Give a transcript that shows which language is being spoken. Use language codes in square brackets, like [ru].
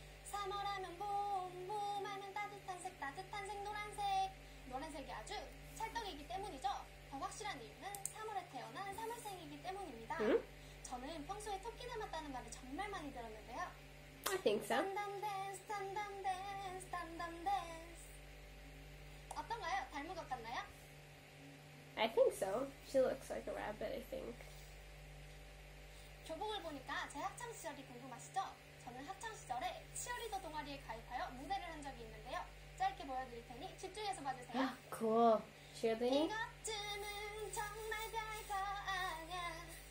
[ko] 3월하면 봄, 봄하면 따뜻한 색, 노란색. 노란색이 아주 찰떡이기 때문이죠. 더 확실한 이유는 3월에 태어난 3월생이기 때문입니다. 저는 평소에 토끼 닮았다는 말을 정말 많이 들었는데요. [en] I think so. Stand and dance, stand and dance, stand and dance. [ko] 어떤가요? 닮은 것 같나요? [en] I think so. She looks like a rabbit, I think. [ko] 교복을 보니까 제 학창 시절이 궁금하시죠? 저는 학창 시절에 치어리더 동아리에 가입하여 무대를 한 적이 있는데요. 짧게 보여드릴 테니 집중해서 봐주세요. Cool. 치어리더니? 이것쯤은 정말 별거 아니야.